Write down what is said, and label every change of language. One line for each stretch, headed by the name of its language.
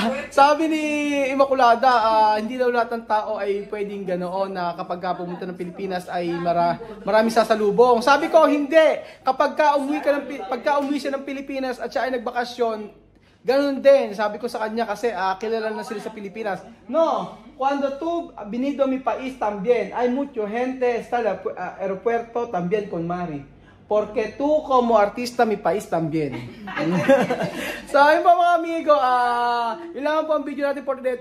Filipino: Sabi ni Imaculada, hindi daw lahat ng tao ay pwedeng ganoon na kapag pumunta ng Pilipinas ay marami sasalubong. Sabi ko, hindi. Kapag umuwi ka ng pagka-umuwi siya ng Pilipinas at siya ay nagbakasyon, ganun din, sabi ko sa kanya kasi kilala na sila sa Pilipinas.
Spanish: No, cuando tú venido a mi país también, hay mucho gente está en el aeropuerto también con Mari. Porque tú como artista mi país también.
Filipino: Sabi po mga amigo, yun lang po ang video natin
English: for today.